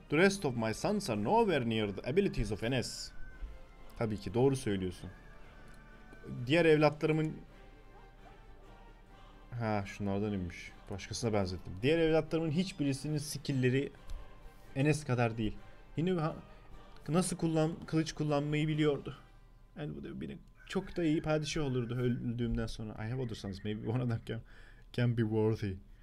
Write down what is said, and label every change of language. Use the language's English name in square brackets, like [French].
[English] The rest of my sons are nowhere near the abilities of Enes. [Turkish] Tabii ki doğru söylüyorsun. Diğer evlatlarımın... Ha şunlardan inmiş. Başkasına benzettim. Diğer evlatlarımın hiçbirisinin skillleri Enes kadar değil. Yine nasıl kılıç kullanmayı biliyordu. Yani bu da benim çok da iyi padişah olurdu öldüğümden sonra. [English] I have other sons. Maybe one of them can be worthy.